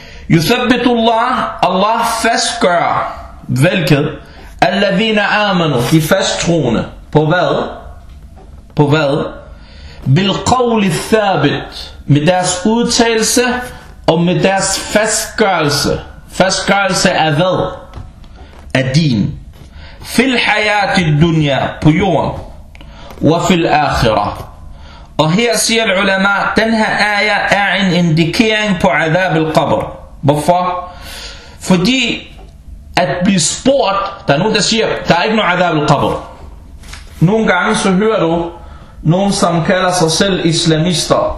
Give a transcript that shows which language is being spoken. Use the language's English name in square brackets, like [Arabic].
[Arabic] يُثَبِّتُ اللَّهُ, [Danish] Allah fastgør, hvilket? [Arabic] الَّذِينَ آمَنُوا, [Danish] de fasttroende. På hvad? På hvad? [Arabic] بِالْقَوْلِ الثَّابِتِ, [Danish] med deres udtalelse og med deres fastgørelse. Fastgørelse af hvad? Af din. [Arabic] فِي الْحَيَاةِ الدُّنْيَا, [Danish] på jorden, [Arabic] وَفِي الْآخِرَةِ. [Danish] Og her siger ulema, den her ayah er en indikering på عذاب القبر. Hvorfor? Fordi at blive spurgt, der er nogen, der siger, der er ikke noget عذاب القبر. Nogle gange så hører du nogen, som kalder sig selv islamister.